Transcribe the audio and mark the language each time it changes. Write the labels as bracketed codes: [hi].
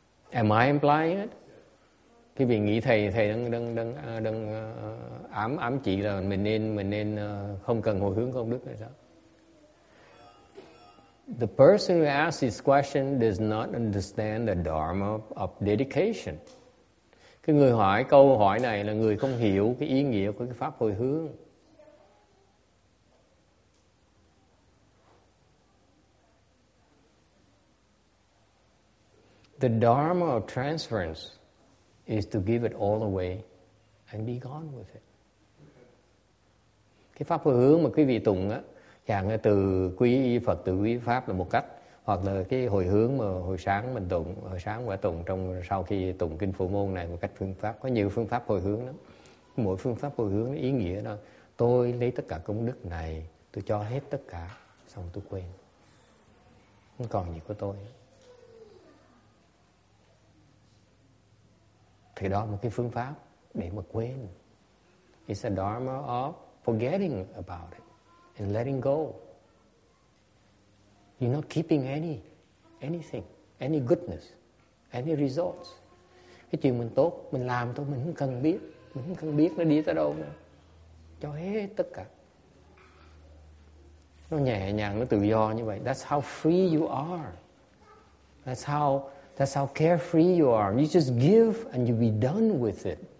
[en] Am I implying it? [vi] Cái vị nghĩ thầy đang ám chỉ là mình nên không cần hồi hướng công đức hay sao? [en] The person who asks this question does not understand the dharma of dedication. [vi] Cái người hỏi câu hỏi này là người không hiểu cái ý nghĩa của cái pháp hồi hướng. [en] The dharma of transference is to give it all away and be gone with it. [vi] Cái pháp hồi hướng mà quý vị tụng á, chẳng từ quý Phật từ quý pháp là một cách, hoặc là cái hồi hướng mà hồi sáng quả tụng trong sau khi tụng kinh Phổ Môn này, một cách phương pháp, có nhiều phương pháp hồi hướng lắm. Mỗi phương pháp hồi hướng nó ý nghĩa là tôi lấy tất cả công đức này, tôi cho hết tất cả xong tôi quên, không còn gì của tôi. Thì đó là một cái phương pháp để mà quên. [en] It's a dharma of forgetting about it and letting go. You're not keeping anything, any goodness, any results. [vi] Cái chuyện mình tốt, mình làm thôi, mình không cần biết. Mình không cần biết nó đi tới đâu nữa. Cho hết tất cả. Nó nhẹ nhàng, nó tự do như vậy. [en] That's how free you are. That's how carefree you are. You just give and you'll be done with it.